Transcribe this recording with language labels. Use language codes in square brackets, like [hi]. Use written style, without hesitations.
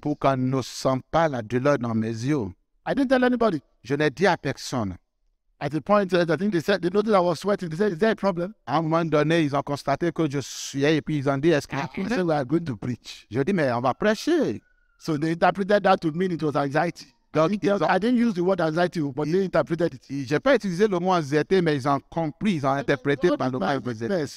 [fr] Pour qu'on ne sente pas la douleur dans mes yeux. [en] I didn't tell anybody. [fr] Je n'ai dit à personne. [en] At the point, I think they said, they noticed I was sweating. They said, is there a problem? [fr] À un moment donné, ils ont constaté que je suis, et puis ils ont dit, est-ce qu'il y a un problème? [en] I said, we are going to preach. [fr] Je dis, mais on va prêcher. [en] So they interpreted that to mean it was anxiety. [fr] Donc, [en] I didn't use the word anxiety, but they interpreted it. [fr] J'ai pas utilisé le mot anxiété, mais ils ont compris, ils ont interprété par le mot anxiété.